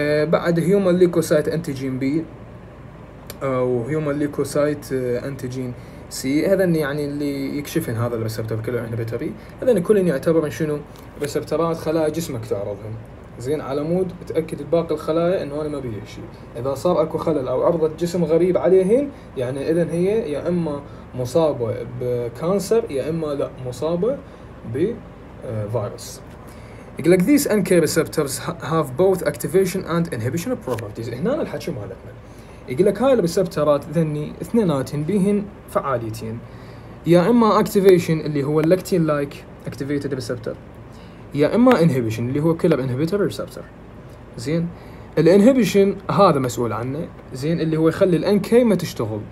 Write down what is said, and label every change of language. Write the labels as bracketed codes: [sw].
[ar] بعد هيومن ليكوسايت انتيجين بي او هيومن ليكوسايت انتيجين سي، هذا يعني اللي يكشفن هذا الريسبتور كله احنا بتري، هذا كل اللي يعتبر شنو ريسبتورات خلايا جسمك تعرضهم زين، على مود تاكد باقي الخلايا انه انا ما بيه شيء. اذا صار اكو خلل او عرضت جسم غريب عليهن يعني اذا هي يا اما مصابه بكانسر يا اما لا مصابه بفيروس. يقول لك [en] these NK receptors have both activation and inhibition properties. [ar] هنا الحكي مالتنا يقول لك هاي الريسبتورات ذني اثنيناتهم بيهن فعاليتين، يا اما اكتيفيشن اللي هو اللاكتين لايك اكتيفيتد ريسبتور، يا اما انهبيشن اللي هو كلب انهبيتور ريسبتور زين. الانهبيشن هذا مسؤول عنه زين، اللي هو يخلي الان كي ما تشتغل.